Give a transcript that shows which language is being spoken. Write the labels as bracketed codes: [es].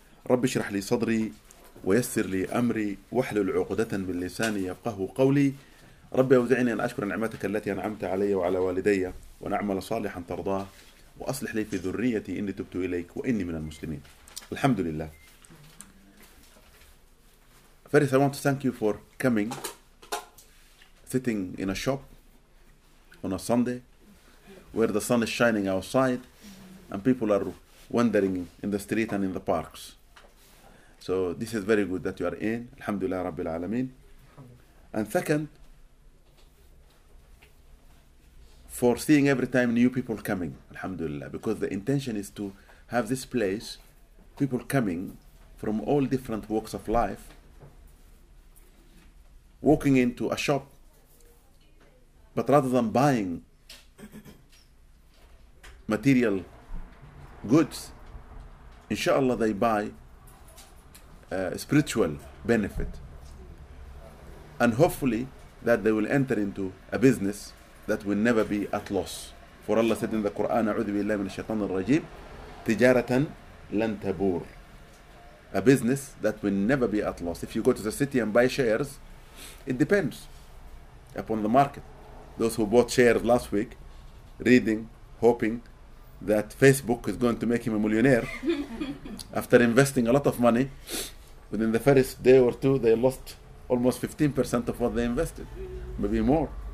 [ar] رب اشرح لي صدري ويسر لي أمري واحلل عقدة من لساني يفقه قولي. ربي أوزعني أن أشكر نعمتك التي أنعمت علي وعلى والدي، وأن أعمل صالحا ترضاه، وأصلح لي في ذريتي إني تبت إليك وإني من المسلمين. الحمد لله. [en] First, I want to thank you for coming, sitting in a shop on a Sunday where the sun is shining outside and people are wandering in the street and in the parks. So this is very good that you are in. [ar] الحمد لله رب العالمين. [en] And second, for seeing every time new people coming, alhamdulillah, because the intention is to have this place, people coming from all different walks of life, walking into a shop, but rather than buying material goods, inshallah they buy spiritual benefit. And hopefully that they will enter into a business that will never be at loss. For Allah said in the Quran, [ar] أعوذ بالله من الشيطان الرجيم تجارة لن تبور. [en] A business that will never be at loss. If you go to the city and buy shares, it depends upon the market. Those who bought shares last week, reading, hoping that Facebook is going to make him a millionaire, after investing a lot of money, within the first day or two, they lost almost 15% of what they invested, maybe more.